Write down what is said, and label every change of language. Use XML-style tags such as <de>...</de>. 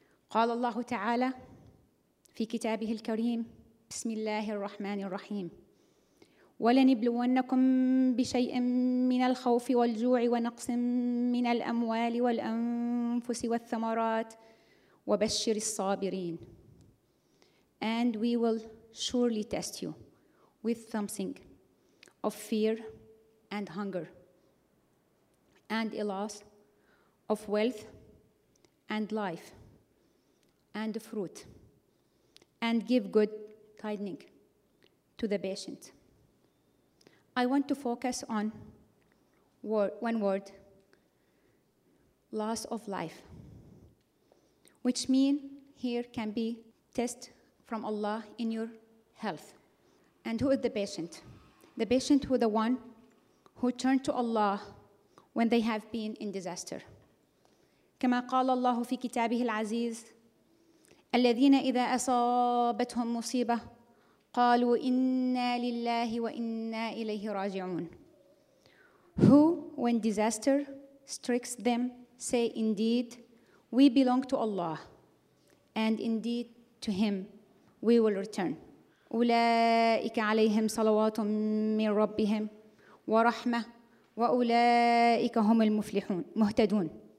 <ar>قال الله تعالى في كتابه الكريم بسم الله الرحمن الرحيم ولنبلونكم بشيء من الخوف والجوع ونقص من الأموال والأنفس والثمرات وبشر الصابرين.</ar> <en>And we will surely test you with something of fear and hunger and a loss of wealth and life and fruit, and give good tidings to the patient. I want to focus on one word, loss of life, which means here can be test from Allah in your health. And who is the patient? The patient who the one who turned to Allah when they have been in disaster.</en> <ar>كما قال الله في كتابه العزيز الذين إذا أصابتهم مصيبة قالوا إنا لله وإنا إليه راجعون.</ar> <en>Who, when disaster strikes them, say, indeed, we belong to Allah, and indeed, to Him, we will return.</en> <ar>أولئك عليهم صلوات من ربهم ورحمة وأولئك هم المفلحون مهتدون.</ar>